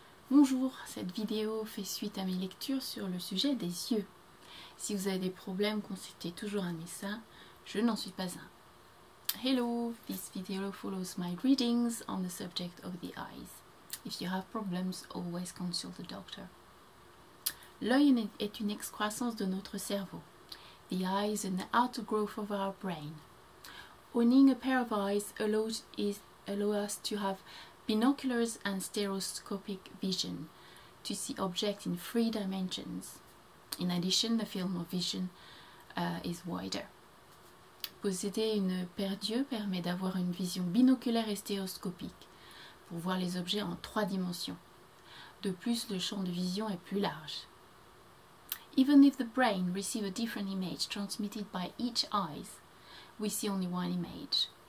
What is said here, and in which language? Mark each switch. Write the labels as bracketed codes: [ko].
[fr] Bonjour, cette vidéo fait suite à mes lectures sur le sujet des yeux. Si vous avez des problèmes, consultez toujours un médecin, je n'en suis pas un. [en] Hello, this video follows my readings on the subject of the eyes. If you have problems, always consult the doctor. [fr] L'œil est une excroissance de notre cerveau. [en] The eye is an outgrowth of our brain. Owning a pair of eyes allows us to have binoculars and stereoscopic vision, to see objects in three dimensions. In addition, the field of vision is wider. [fr] Posséder une paire d'yeux permet d'avoir une vision binoculaire et stéréoscopique pour voir les objets en trois dimensions. De plus, le champ de vision est plus large. [en] Even if the brain receives a different image transmitted by each eye, we see only one image.